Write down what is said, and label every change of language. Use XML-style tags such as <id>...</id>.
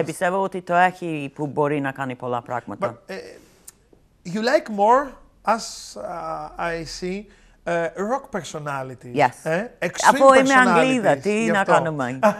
<el>Και πιστεύω ότι το έχει που μπορεί να κάνει πολλά πράγματα.</el> <en>You like more, as I see, rock personality. Yes. Extreme</en> <el>Από είμαι Αγγλίδα, τι να κάνουμε.</el>